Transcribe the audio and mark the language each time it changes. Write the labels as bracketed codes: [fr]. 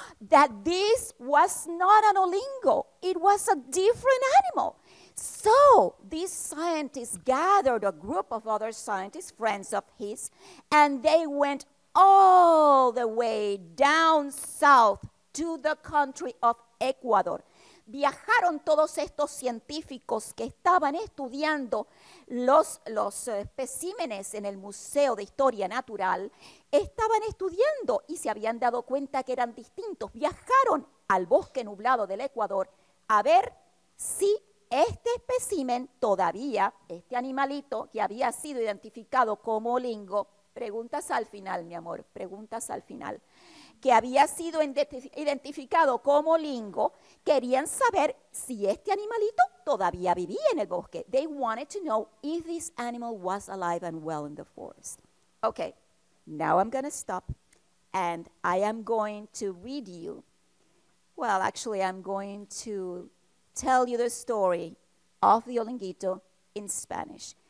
[en] That this was not an olingo. It was a different animal. So these scientists gathered a group of other scientists, friends of his, and they went all the way down south to the country of Ecuador. [es] Viajaron todos estos científicos que estaban estudiando los especímenes en el Museo de Historia Natural. Estaban estudiando y se habían dado cuenta que eran distintos. Viajaron al bosque nublado del Ecuador a ver si este espécimen todavía, este animalito que había sido identificado como olingo, preguntas al final, mi amor, preguntas al final, que había sido identificado como olingo, querían saber si este animalito todavía vivía en el bosque. [en] They wanted to know if this animal was alive and well in the forest. Okay, now I'm going to stop, and I am going to read you, well, actually, I'm going to tell you the story of the olinguito in Spanish.